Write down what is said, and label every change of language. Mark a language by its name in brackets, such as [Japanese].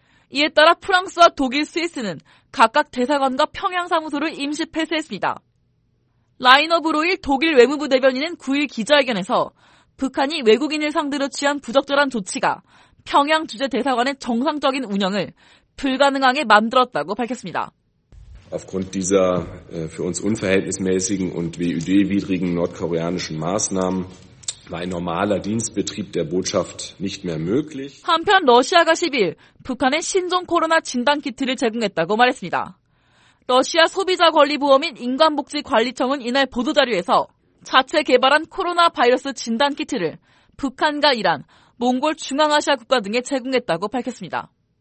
[Korean] 이에 따라 프랑스와 독일, 스위스는 각각 대사관과 평양 사무소를 임시 폐쇄했습니다. 라이너 브로일 독일 외무부 대변인은 9일 기자회견에서 북한이 외국인을 상대로 취한 부적절한 조치가 평양 주재 대사관의 정상적인 운영을 불가능하게 만들었다고 밝혔습니다. [German] Aufgrund dieser für uns unverhältnismäßigen und WÖD-widrigen nordkoreanischen Maßnahmen war ein normaler Dienstbetrieb der Botschaft nicht mehr möglich. [Korean] 한편 러시아가 10일 북한에 신종 코로나 진단키트를 제공했다고 말했습니다. 러시아 소비자권리보호 및 인간복지관리청은 이날 보도자료에서 자체 개발한 코로나 바이러스 진단키트를 북한과 이란, 몽골 중앙아시아 국가 등에 제공했다고 밝혔습니다.